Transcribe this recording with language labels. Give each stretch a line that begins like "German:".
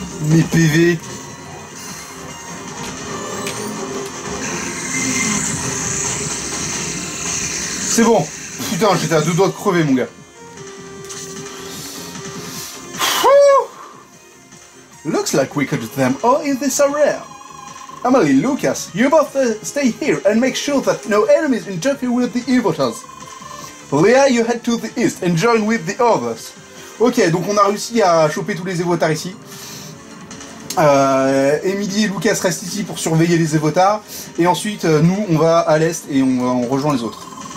French: Mes PV. C'est bon. Putain, j'étais à deux doigts de crever, mon gars.
English: Like we could do them all in this area. Emily, Lucas, you both stay here and make sure that no enemies interfere with the Evotas. Leah, you head to the east and join with the others.
French: Ok, donc on a réussi à choper tous les Evotars ici. Emily et Lucas restent ici pour surveiller les Evotars. Et ensuite, nous, on va à l'est et on rejoint les autres.